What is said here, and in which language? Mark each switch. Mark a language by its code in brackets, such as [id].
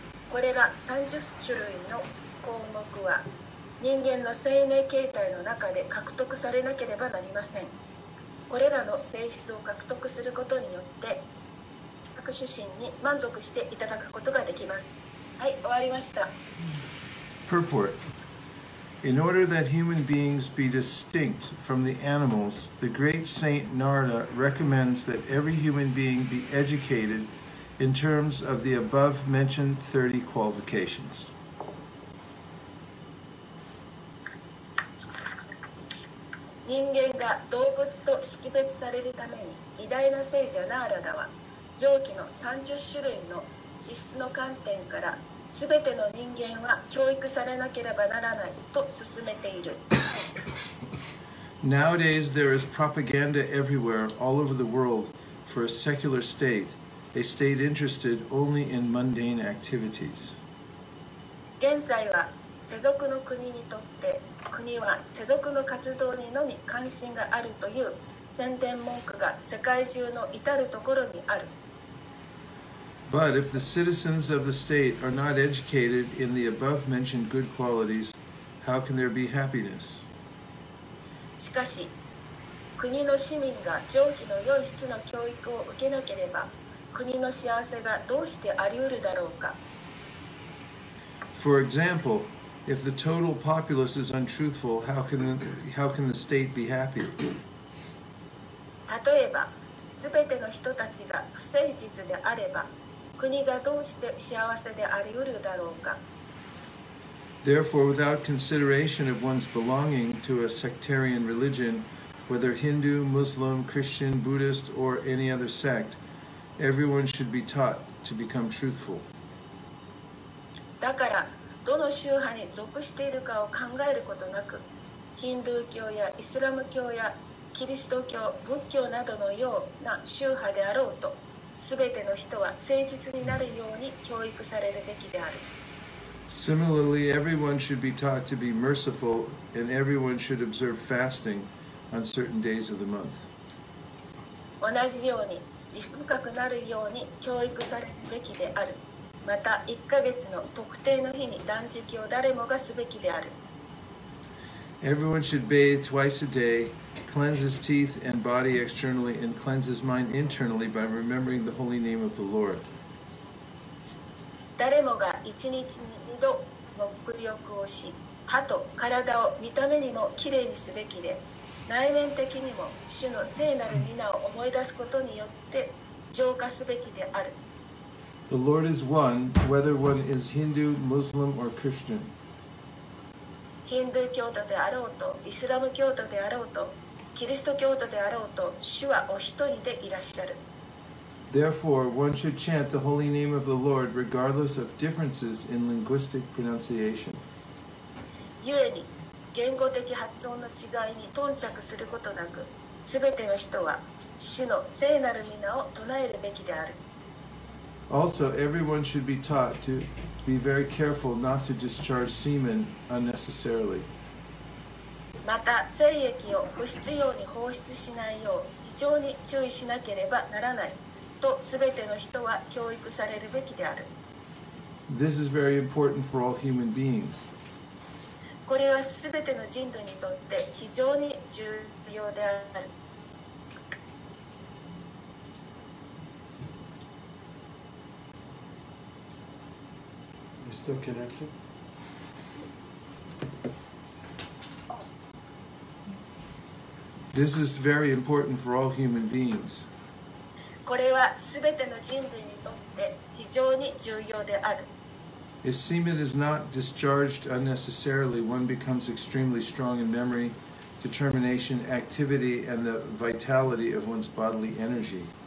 [ja] これら30種類の項目は人間の生命形態の中で獲得されなければなりません。これらの性質を獲得することによって各主神に満足していただくことができます。はい、終わりました。 [en] Purport. In order that human beings be distinct from the animals, the great Saint Narada recommends that every human being be educated in terms of the above mentioned 30 qualifications. [ja] すべての人間は教育されなければならないと進めている。 [en] Nowadays, there is propaganda everywhere, all over the world, for a secular state, a state interested only in mundane activities. [ja] 現在は世俗の国にとって、国は世俗の活動にのみ関心があるという宣伝文句が世界中の至るところにある。 [en] But if the citizens of the state are not educated in the above mentioned good qualities, how can there be happiness? [ja] しかし、国の市民が上記の良い質の教育を受けなければ、国の幸せがどうしてあり得るだろうか? [en] For example, if the total populace is untruthful, how can the state be happy? [ja] 例えば、すべての人たちが不誠実であれば、国がどうして幸せであり得るだろうか。 [en] Therefore, without consideration of one's belonging to a sectarian religion, whether Hindu, Muslim, Christian, Buddhist, or any other sect, everyone should be taught to become truthful. [ja] だから、どの宗派に属しているかを考えることなく、ヒンドゥー教やイスラム教やキリスト教、仏教などのような宗派であろうと、すべての人は誠実になるように教育されるべきである。 [en] Similarly, everyone should be taught to be merciful, and everyone should observe fasting on certain days of the month. [ja] 同じように、慈悲深くなるように教育されるべきである。また、1ヶ月の特定の日に断食を誰もがすべきである。 [en] Everyone should bathe twice a day. Cleanse his teeth and body externally and cleanse his mind internally by remembering the holy name of the Lord. [ja] 誰もが一日に二度沐浴をし、歯と体を見た目にもきれいにすべきで、内面的にも主の聖なる皆を思い出すことによって浄化すべきである。 [en] The Lord is one, whether one is Hindu, Muslim, or Christian. [ja] ヒンドゥー教徒であろうと、イスラム教徒であろうと、キリスト教徒であろうと、主はお一人でいらっしゃる。 [en] Therefore, one should chant the holy name of the Lord regardless of differences in linguistic pronunciation. [ja] ゆえに、言語的発音の違いに頓着することなく、すべての人は主の聖なる皆を唱えるべきである。 [en] Also, everyone should be taught to be very careful not to discharge semen unnecessarily. [ja] また、精液を不必要に放出しないよう、非常に注意しなければならないと、すべての人は教育されるべきである。 [en] This is very important for all human beings. [ja] これはすべての人類にとって非常に重要である。 [en] You still connected? This is very important for all human beings. [ja] これはすべての人類にとって非常に重要である。 [en] If semen is not discharged unnecessarily, one becomes extremely strong in memory, determination, activity, and the vitality of one's bodily energy.